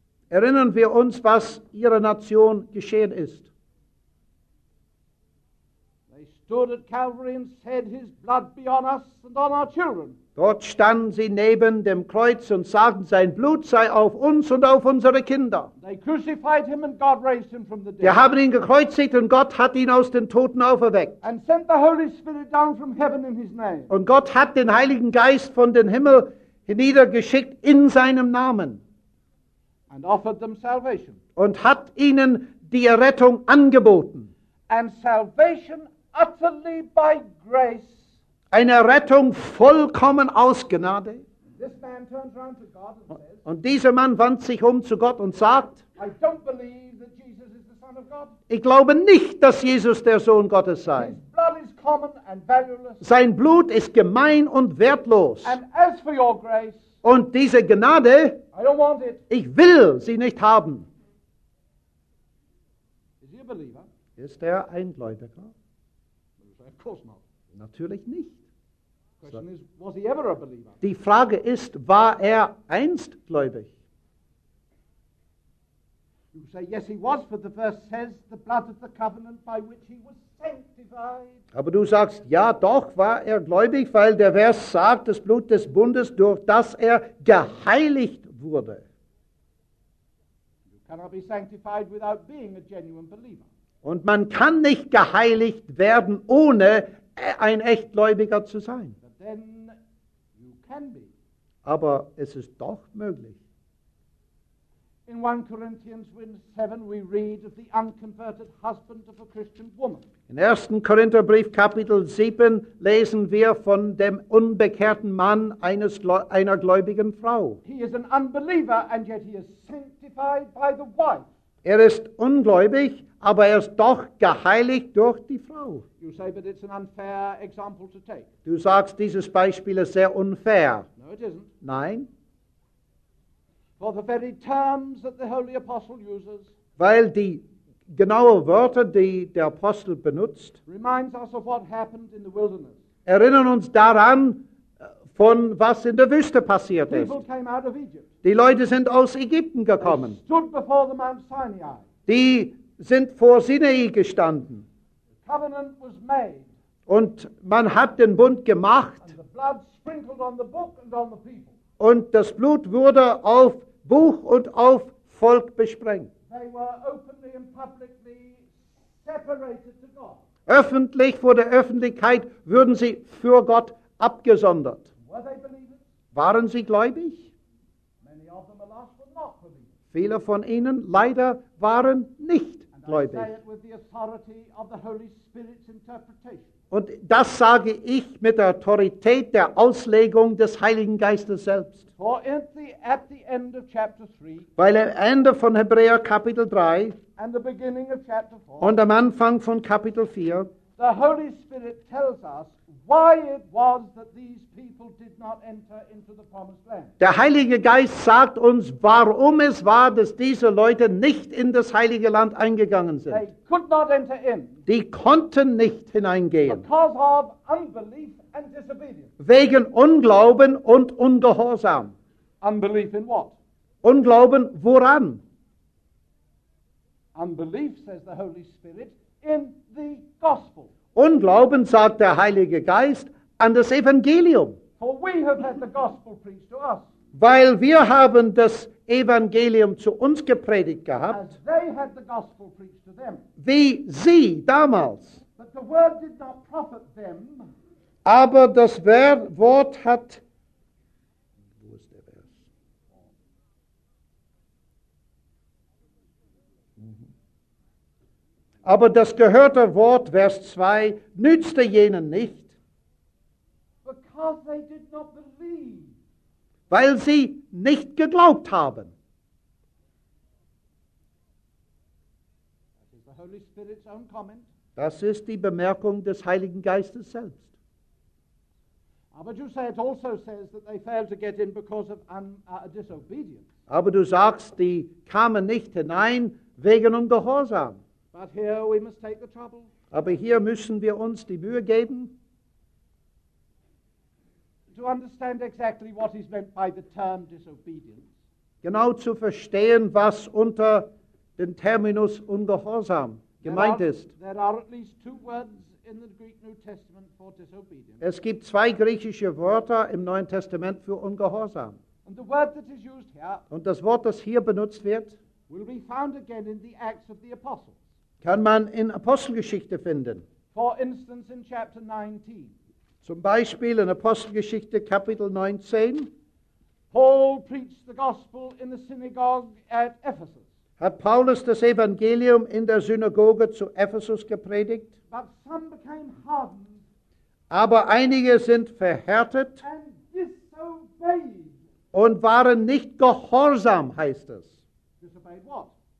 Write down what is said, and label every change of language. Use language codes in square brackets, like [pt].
[de] Erinnern wir uns, was ihrer Nation geschehen ist. [en] They stood at Calvary and said, his blood be on us and on our children. [de] Dort standen sie neben dem Kreuz und sagten, sein Blut sei auf uns und auf unsere Kinder. [en] They crucified him and God raised him from the dead. [de] Wir haben ihn gekreuzigt und Gott hat ihn aus den Toten auferweckt. [en] And sent the Holy Spirit down from heaven in his name. [de] Und Gott hat den Heiligen Geist von den Himmel hinniedergeschickt in seinem Namen. [en] And offered them salvation. [de] Und hat ihnen die Errettung angeboten. [en] And salvation utterly by grace. [de] Eine Errettung vollkommen aus Gnade. [en] This man turns around to God and says, [de] und dieser Mann wandt sich um zu Gott und sagt, [en] I don't believe that Jesus is the Son of God. [de] Ich glaube nicht, dass Jesus der Sohn Gottes sei. [en] His blood is common and valueless. [de] Sein Blut ist gemein und wertlos. [en] And as for your grace, [de] und diese Gnade, [en] I don't want it. [de] Ich will sie nicht haben. [en] Is he a believer? [de] Ist er ein Gläubiger? [en] Of course not. [de] Natürlich nicht. [en] Question is, was he ever a believer? [de] Die Frage ist, war er einst gläubig? [en] You say yes, he was, but the verse says the blood of the covenant by which he was sanctified. [de] Aber du sagst ja, doch war er gläubig, weil der Vers sagt, das Blut des Bundes, durch das er geheiligt wurde. [en] You cannot be sanctified without being a genuine believer. [de] Und man kann nicht geheiligt werden, ohne ein Echtgläubiger zu sein. [en] But then you can be. [de] Aber es ist doch möglich. [en] In 1 Corinthians 7 we read of the unconverted husband of a Christian woman. [de] In 1. Korintherbrief Kapitel 7 lesen wir von dem unbekehrten Mann einer gläubigen Frau. [en] He is an unbeliever and yet he is sanctified by the wife. [de] Er ist ungläubig, aber er ist doch geheiligt durch die Frau. [en] You say, but it's an unfair example to take. [de] Du sagst, dieses Beispiel ist sehr unfair. [en] No, it isn't. [de] Nein. [en] For the very terms that the Holy Apostle uses, [de] weil die genauen Wörter, die der Apostel benutzt, [en] reminds us of what happened in the wilderness. [de] Erinnern uns daran, von was in der Wüste passiert [en] People [de] ist. [en] Came out of Egypt. [de] Die Leute sind aus Ägypten gekommen. [en] They stood before the Mount Sinai. [de] Die sind vor Sinai gestanden. [en] The covenant was made. [de] Und man hat den Bund gemacht. [en] And the blood sprinkled on the book and on the people. [de] Und das Blut wurde auf Buch und auf Volk besprengt. [en] They were openly and publicly separated to God. [de] Öffentlich vor der Öffentlichkeit würden sie für Gott abgesondert. [en] Were they believers? [de] Waren sie gläubig? [en] Many of them, alas, were not believers. [de] Viele von ihnen leider waren nicht [en] And [de] gläubig. [en] I say it with the authority of the Holy Spirit's interpretation. [de] Und das sage ich mit der Autorität der Auslegung des Heiligen Geistes selbst. [en] For at the end of chapter 3, [de] weil am Ende von Hebräer Kapitel 3 [en] and the beginning of chapter 4, [de] und am Anfang von Kapitel 4 [en] the Holy Spirit tells us why it was that these people did not enter into the promised land. [de] Der Heilige Geist sagt uns, warum es war, dass diese Leute nicht in das Heilige Land eingegangen sind. [en] They could not enter in. [de] Die konnten nicht hineingehen. [en] Because of unbelief and disobedience. [de] Wegen Unglauben und Ungehorsam. [en] Unbelief in what? [de] Unglauben woran? [en] Unbelief, says the Holy Spirit, in the gospel. [de] Unglauben, sagt der Heilige Geist, an das Evangelium. [en] For we have had the gospel preached to us. [de] Weil wir haben das Evangelium zu uns gepredigt gehabt, [en] as they had the gospel preached to them. [de] Wie sie damals. [en] But the word did not profit them. [de] Aber das Wort hat... Wo ist der Vers? Aber das gehörte Wort, Vers 2, nützte jenen nicht. [en] Because they did not believe. [de] Weil sie nicht geglaubt haben. [en] That is the Holy Spirit's own comment. [de] Das ist die Bemerkung des Heiligen Geistes selbst. Aber du sagst, [en] it also says that they failed to get in because of disobedience. [de] Aber du sagst, die kamen nicht hinein wegen Ungehorsam. [en] But here we must take the trouble. [de] Aber hier müssen wir uns die Mühe geben, [en] to understand exactly what is meant by the term disobedience. [de] Genau zu verstehen, was unter dem Terminus Ungehorsam gemeint ist. [en] There are at least two words in the Greek New Testament for disobedience. [de] Es gibt zwei griechische Wörter im Neuen Testament für Ungehorsam. [en] And the word that is used here, [de] und das Wort, das hier benutzt wird, [en] will be found again in the Acts of the Apostles. [de] Kann man in Apostelgeschichte finden. [en] For instance in chapter 19. [de] Zum Beispiel in Apostelgeschichte Kapitel 19. [en] Paul preached the gospel in the synagogue at Ephesus. [de] Hat Paulus das Evangelium in der Synagoge zu Ephesus gepredigt. [en] But some became hardened. [de] Aber einige sind verhärtet. [en] And disobeyed. [de] Und waren nicht gehorsam, heißt es. [en] Disobeyed what?